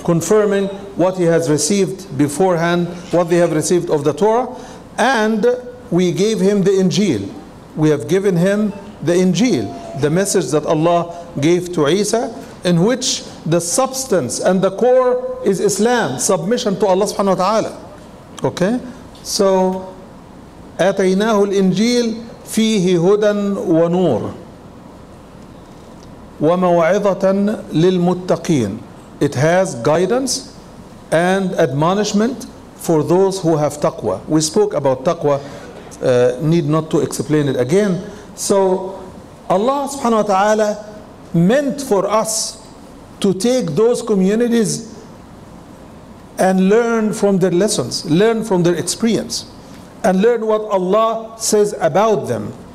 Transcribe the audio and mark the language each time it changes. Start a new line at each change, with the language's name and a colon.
English: confirming what he has received beforehand, what they have received of the Torah, and we gave him the Injil. We have given him the Injil, the message that Allah gave to Isa, in which the substance and the core is Islam, submission to Allah subhanahu wa ta'ala. Okay?
Arabic: So, آتيناه الإنجيل فيه هدى ونور وموعظة للمتقين.
English: It has guidance and admonishment for those who have taqwa. We spoke about taqwa, need not to explain it again. So Allah subhanahu wa ta'ala meant for us to take those communities and learn from their lessons, learn from their experience, and learn what Allah says about them.